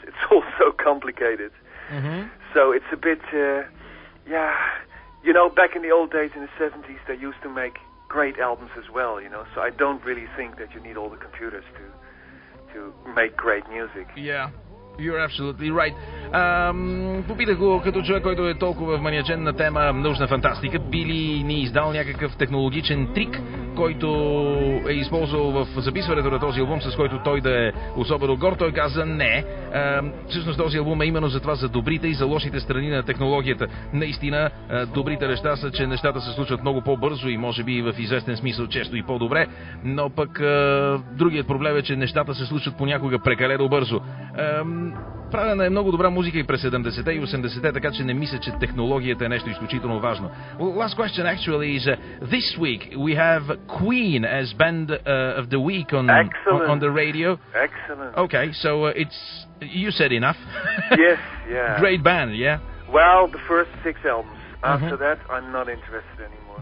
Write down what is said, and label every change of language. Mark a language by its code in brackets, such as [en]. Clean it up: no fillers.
[en] It's all so complicated. Mm-hmm. So it's a bit... yeah, you know, back in the old days in the 70s, they used to make great albums as well, you know, so I don't really think that you need all the computers to make great music. Yeah, you're absolutely right. [bg] Попитах го като човек, който е толкова вманячен на тема научна фантастика, би ли ни издал някакъв технологичен трик, който е използвал в записването на този албум, с който той да е особено горд. Той каза не. Всъщност този албум е именно за това, за добрите и за лошите страни на технологията. Наистина, добрите неща са, че нещата се случват много по-бързо и може би в известен смисъл често и по-добре. Но пък другият проблем е, че нещата се случват понякога прекалено бързо. Правена е много добра музика и през 70-те и 80-те, така че не мисля, че технологията е нещо изключително важно. [en] Well, last question actually is, this week we have Queen as band of the week on the radio. Excellent. Okay, so it's, you said enough. Yes, yeah. Great band, yeah? Well, the first 6 albums. After mm-hmm. that, I'm not interested anymore.